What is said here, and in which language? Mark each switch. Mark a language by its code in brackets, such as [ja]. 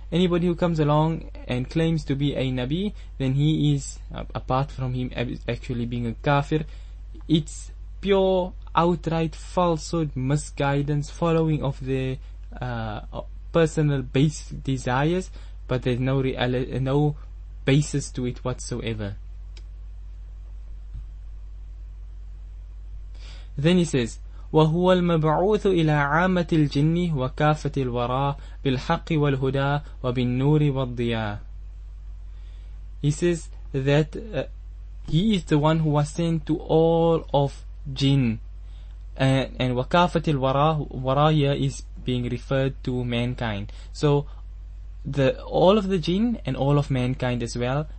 [en] Anybody who comes along and claims to be a Nabi, then he is, apart from him actually being a kafir, it's pure, outright falsehood, misguidance, following of the personal base desires, but there's no no basis to it whatsoever. Then he says, [ar] وهو المبعوث إلى عامة الجن وكافة الوراء بالحق والهدى وبالنور والضياء. [en] He says that he is the one who was sent to all of jinn. And [ar] وكافة الوراء, [en] وراء here is being referred to mankind. So all of the jinn and all of mankind as well.